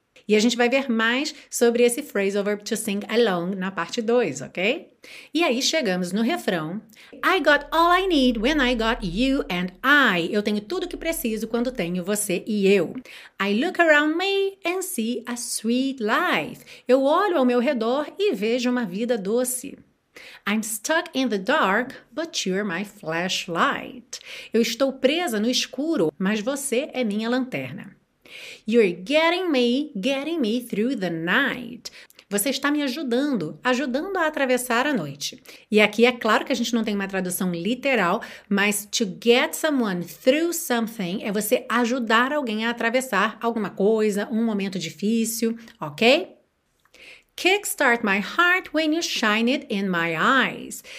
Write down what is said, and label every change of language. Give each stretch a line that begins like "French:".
Portuguese: E a gente vai ver mais sobre esse phrasal verb to sing along na parte 2, ok? E aí chegamos no refrão.
English: I got all I need when I got you and I.
Portuguese: Eu tenho tudo que preciso quando tenho você e eu.
English: I look around me and see a sweet life.
Portuguese: Eu olho ao meu redor e vejo uma vida doce.
English: I'm stuck in the dark, but you're my flashlight.
Portuguese: Eu estou presa no escuro, mas você é minha lanterna.
English: You're getting me through the night.
Portuguese: Você está me ajudando, ajudando a atravessar a noite. E aqui é claro que a gente não tem uma tradução literal, mas
English: to get someone through something
Portuguese: é você ajudar alguém a atravessar alguma coisa, um momento difícil, ok?
English: Kickstart my heart when you shine it in my eyes.